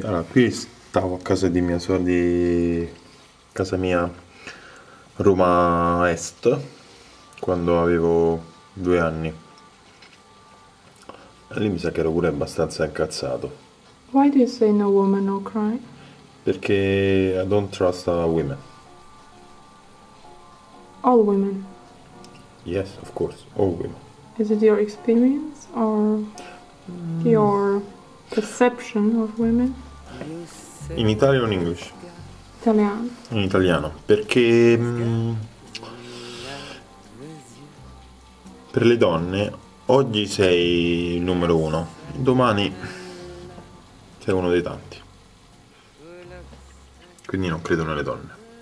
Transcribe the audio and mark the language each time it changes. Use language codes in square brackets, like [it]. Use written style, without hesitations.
[it] Allora, qui stavo a casa di mia sorella, di casa mia, Roma Est, quando avevo 2 anni. E lì mi sa che ero pure abbastanza incazzato. [en] Why do you say no woman, no cry? [it] Perché [en] I don't trust women. All women. Yes, of course, all women. Is it your experience or your perception of women? In Italian or in English? [it] Italiano. In italiano, perché per le donne oggi sei il numero uno, domani sei uno dei tanti. Quindi non credo nelle donne.